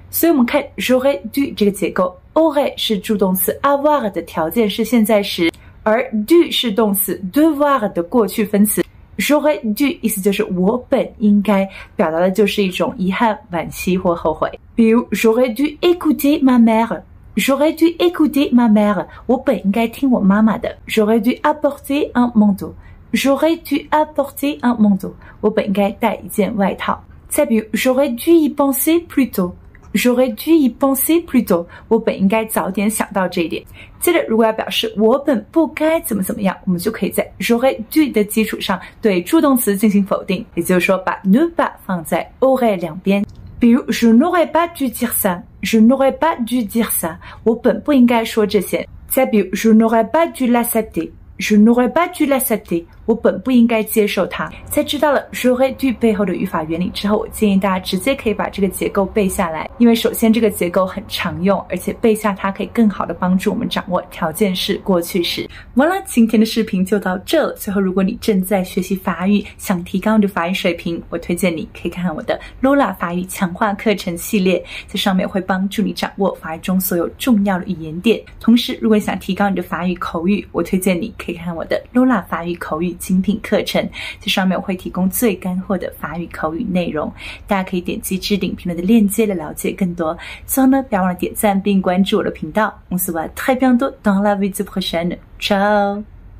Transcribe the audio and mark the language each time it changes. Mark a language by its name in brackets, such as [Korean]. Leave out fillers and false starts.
[Chinese] 所以我们看 j'aurais dû 这个结构， aurait 是助动词 avoir 的条件式现在时，而 dû 是动词 devoir 的过去分词。 j'aurais dû 意思就是我本应该，表达的就是一种遗憾、惋惜或后悔。比如 [French] j'aurais dû écouter ma mère。 J'aurais dû écouter ma mère. [Chinese] 我本应该听我妈妈的。 [French] J'aurais dû apporter un manteau. J'aurais dû apporter un manteau. [Chinese] 我本应该带一件外套。再比如 [French] ，J'aurais dû y penser plus tôt. J'aurais dû y penser plus tôt. [Chinese] 我本应该早点想到这一点。接着，如果要表示我本不该怎么怎么样，我们就可以在 j'aurais dû 的基础上对助动词进行否定，也就是说把 ne pas 放在 aurait 两边。比如 [French] ，Je n'aurais pas dû dire ça. Je n'aurais pas dû dire ça. [Chinese] 我本不应该说这些。再比如 [French] ，Je n'aurais pas dû l'accepter. Je n'aurais pas dû l'accepter. [Chinese] 我本不应该接受它。在知道了 j'aurais dû 背后的语法原理之后，我建议大家直接可以把这个结构背下来，因为首先这个结构很常用，而且背下它可以更好的帮助我们掌握条件式过去式。完了，今天的视频就到这了。最后，如果你正在学习法语，想提高你的法语水平，我推荐你可以看看我的 Lula 法语强化课程系列，在上面会帮助你掌握法语中所有重要的语言点。同时，如果你想提高你的法语口语，我推荐你可以看看我的 Lula 法语口语精品课程，在上面我会提供最干货的法语口语内容，大家可以点击置顶评论的链接来了解更多。最后呢，不要忘了点赞并关注我的频道。 [French] On se voit très bientôt dans la vidéo prochaine. Ciao!